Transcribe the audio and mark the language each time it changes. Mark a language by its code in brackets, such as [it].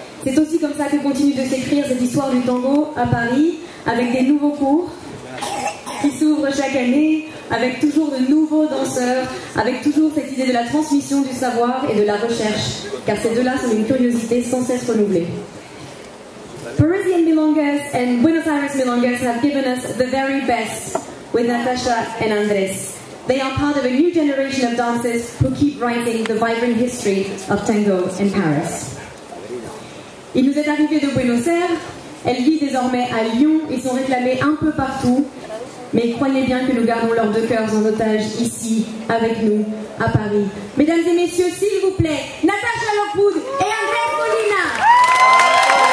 [fr] C'est aussi comme ça que continue de s'écrire cette histoire du tango à Paris, avec des nouveaux cours qui s'ouvre chaque année, avec toujours de nouveaux danseurs, avec toujours cette idée de la transmission du savoir et de la recherche, car ces deux-là sont une curiosité sans cesse renouvelée. [en] Parisian Milongas and Buenos Aires Milongas have given us the very best with Natacha and Andrés. They are part of a new generation of dancers who keep writing the vibrant history of tango in Paris. [fr] Il nous est arrivé de Buenos Aires, elle vit désormais à Lyon, ils sont réclamés un peu partout. Mais croyez bien que nous gardons leurs deux cœurs en otage ici, avec nous, à Paris. Mesdames et messieurs, s'il vous plaît, Natacha Lockwood et André Molina.